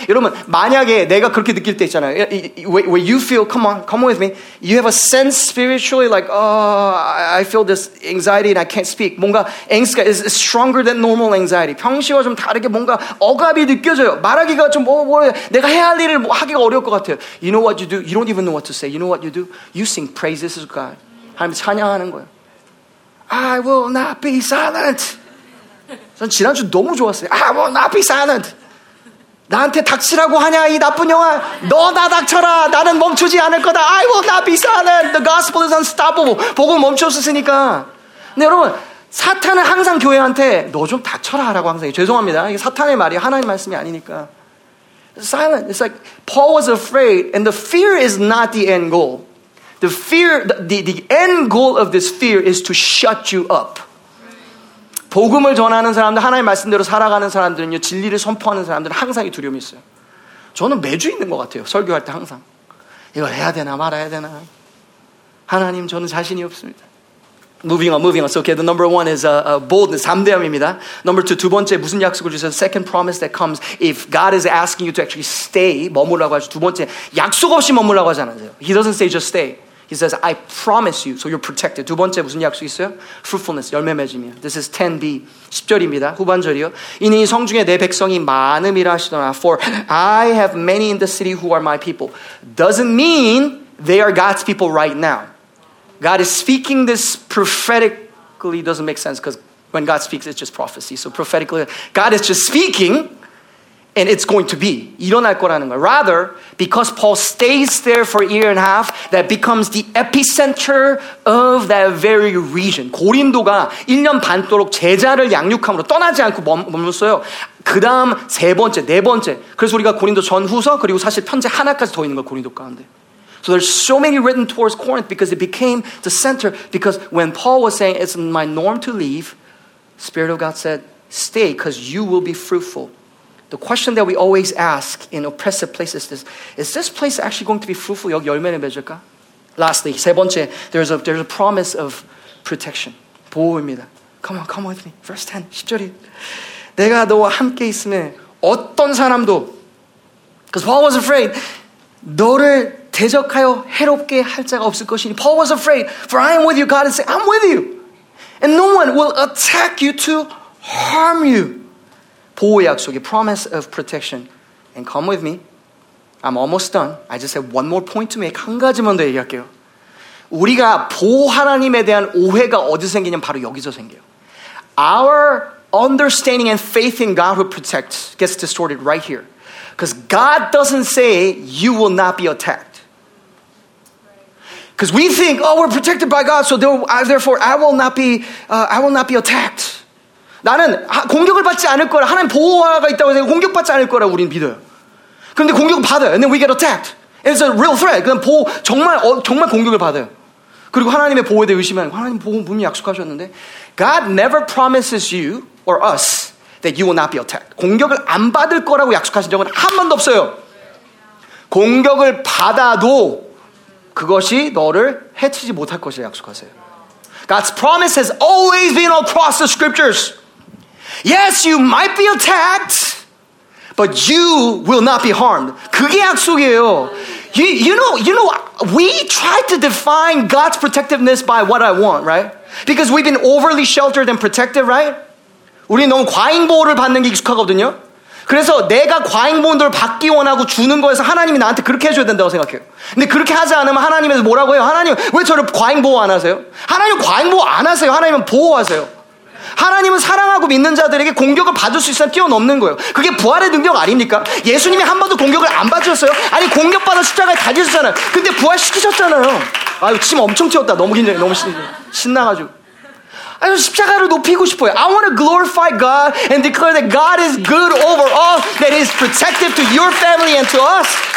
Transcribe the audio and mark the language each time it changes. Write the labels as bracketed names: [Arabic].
[Korean] 여러분, 만약에 내가 그렇게 느낄 때 있잖아요. [English] Where you feel, come on with me. You have a sense spiritually like, oh, I feel this anxiety and I can't speak. [Korean] 뭔가 angst가 [English] is stronger than normal anxiety. [Korean] 평시와 좀 다르게 뭔가 억압이 느껴져요. 말하기가 좀 내가 해야 할 일을 하기가 어려울 것 같아요. [English] You know what you do? You don't even know what to say. You know what you do? You sing praises of God. [Korean] 하나님 찬양하는 거예요. [English] I will not be silent. [Korean] 전 지난주 너무 좋았어요. [English] I will not be silent. [Korean] 나한테 닥치라고 하냐 이 나쁜 영아. 너 나 닥쳐라. 나는 멈추지 않을 거다. [English] I will not be silent. The gospel is unstoppable. [Korean] 복음 멈췄으니까. 근데 여러분 사탄은 항상 교회한테 너 좀 닥쳐라 라고 항상 해요. 죄송합니다. 이게 사탄의 말이 하나님 말씀이 아니니까. [English] Silent. It's like Paul was afraid and the fear is not the end goal. The fear, the end goal of this fear is to shut you up. [Korean] 복음을 전하는 사람들, 하나님 말씀대로 살아가는 사람들은요, 진리를 선포하는 사람들은 항상 이 두려움이 있어요. 저는 매주 있는 것 같아요, 설교할 때 항상. 이걸 해야 되나 말아야 되나. 하나님, 저는 자신이 없습니다. [English] Moving on. So, okay, the number one is boldness, [Korean] 담대함입니다. [English] Number two, [Korean] 두 번째, 무슨 약속을 주세요? [English] Second promise that comes if God is asking you to actually stay, [Korean] 머물라고 하죠. 두 번째, 약속 없이 머물라고 하지 않으세요. [English] He doesn't say just stay. He says, I promise you, so you're protected. [Korean] 두 번째, 무슨 약속 있어요? [English] Fruitfulness, [Korean] 열매 맺음이요. [English] This is 10b, [Korean] 10절입니다. 후반절이요. 이는 이 성 중에 내 백성이 많음이라 하시더라. [English] For I have many in the city who are my people. Doesn't mean they are God's people right now. God is speaking this prophetically doesn't make sense because when God speaks, it's just prophecy. So prophetically, God is just speaking and it's going to be. [Korean] 일어날 거라는 거. [English] Rather, because Paul stays there for a year and a half, that becomes the epicenter of that very region. [Korean] 고린도가 1년 반 도록 제자를 양육함으로 떠나지 않고 머물었어요. 그 다음 세 번째, 네 번째. 그래서 우리가 고린도 전후서 그리고 사실 편지 하나까지 더 있는 거 고린도 가운데. [English] So there's so many written towards Corinth because it became the center because when Paul was saying it's my norm to leave, Spirit of God said, stay because you will be fruitful. The question that we always ask in oppressive places is this place actually going to be fruitful? [Korean] 여기 열매를 맺을까? [English] Lastly, [Korean] 세 번째, [English] there's a promise of protection. [Korean] 보호입니다. [English] Come on with me. Verse 10, [Korean] 10절이. 내가 너와 함께 있으면 어떤 사람도 [English] because Paul was afraid [Korean] 너를 대적하여 해롭게 할 자가 없을 것이니 [English] Paul was afraid for I am with you God is saying I'm with you and no one will attack you to harm you [Korean] 보호 약속의 [English] promise of protection and come with me I'm almost done I just have one more point to make [Korean] 한 가지만 더 얘기할게요 우리가 보호 하나님에 대한 오해가 어디서 생기냐면 바로 여기서 생겨요 [English] our understanding and faith in God who protects gets distorted right here because God doesn't say you will not be attacked Because we think, oh, we're protected by God, so therefore I will not be attacked. [Korean] 나는 공격을 받지 않을 거라. 하나님 보호하가 있다고 해서 공격받지 않을 거라 우린 믿어요. 그런데 공격을 받아요. And then we get attacked. It's a real threat. 그럼 보호, 정말 공격을 받아요. 그리고 하나님의 보호에 대해 의심하는 하나님 보호 분명히 약속하셨는데 [English] God never promises you or us that you will not be attacked. [Korean] 공격을 안 받을 거라고 약속하신 적은 한 번도 없어요. 공격을 받아도 그것이 너를 해치지 못할 것이라 약속하세요. [English] God's promise has always been across the scriptures. Yes, you might be attacked, but you will not be harmed. [Korean] 그게 약속이에요. [English] You know, we try to define God's protectiveness by what I want, right? Because we've been overly sheltered and protected, right? [Korean] 우리 너무 과잉 보호를 받는 게 익숙하거든요. 그래서 내가 과잉 보호를 받기 원하고 주는 거에서 하나님이 나한테 그렇게 해줘야 된다고 생각해요. 근데 그렇게 하지 않으면 하나님에서 뭐라고 해요? 하나님 왜 저를 과잉 보호 안 하세요? 하나님 과잉 보호 안 하세요. 하나님은 보호하세요. 하나님은 사랑하고 믿는 자들에게 공격을 받을 수 있으면 뛰어넘는 거예요. 그게 부활의 능력 아닙니까? 예수님이 한 번도 공격을 안 받으셨어요? 아니 공격받아 십자가에 달리셨잖아요. 근데 부활시키셨잖아요. 아유 침 엄청 튀었다. 너무 긴장해. 너무 신나가지고. 아유 십자가를 높이고 싶어요. [English] I want to glorify God and declare that God is good over all, that is protective to your family and to us.